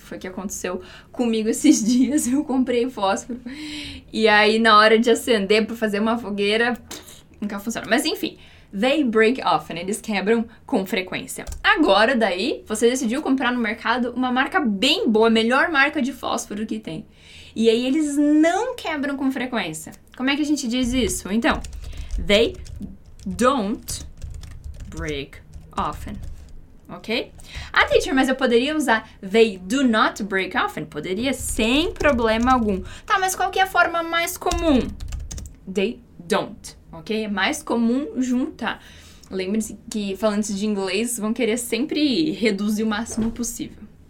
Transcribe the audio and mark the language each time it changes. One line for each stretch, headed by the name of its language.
Portuguese: Foi o que aconteceu comigo esses dias. Eu comprei fósforo e aí, na hora de acender para fazer uma fogueira, nunca funciona. Mas enfim,
English: they break often,
Portuguese: eles quebram com frequência. Agora daí, você decidiu comprar no mercado uma marca bem boa, a melhor marca de fósforo que tem. E aí eles não quebram com frequência. Como é que a gente diz isso?
English: Então, they don't break often, ok? Ah, teacher,
Portuguese: mas eu poderia usar
English: they do not break often?
Portuguese: Poderia, sem problema algum. Tá, mas qual que é a forma mais comum?
English: They don't.
Portuguese: Ok? É mais comum juntar. Lembre-se que falantes de inglês vão querer sempre reduzir o máximo possível.